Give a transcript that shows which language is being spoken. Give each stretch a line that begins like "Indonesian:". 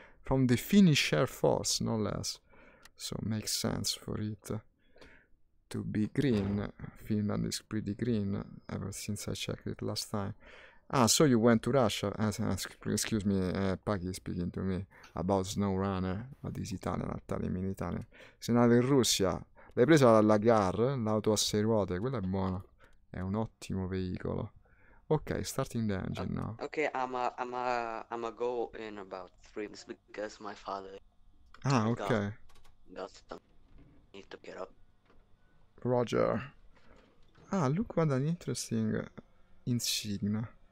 English: From the Finnish Air Force, no less. So makes sense for it to be green. Finland is pretty green ever since I checked it last time. Ah, so you went to Russia. Excuse me, Paki speaking to me about SnowRunner, but this Italian, I'll tell him in Italian.
Italian: Sei nato in Russia. L'hai presa la Gar, l'auto a sei ruote, quella è buona. È un ottimo veicolo.
English: Ok, starting the engine now. Ok, I'ma go in about 3 minutes because my father got some. Need to get up. Roger. Ah, look what an interesting insignia.